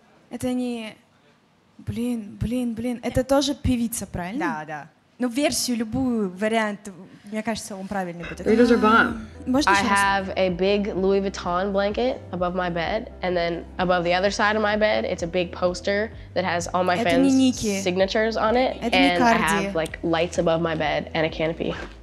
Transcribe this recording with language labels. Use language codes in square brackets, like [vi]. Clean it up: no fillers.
[ru] Это не, блин. Это тоже певица, правильно? Да, да. Ну версию любую вариант, мне кажется, он правильный будет. [en] Those are bomb. [ru] Можно [en] I have a big Louis Vuitton blanket above my bed, and then above the other side of my bed, it's a big poster that has all my fans' signatures on it, [ru] это [en] and I have like lights above my bed and a canopy.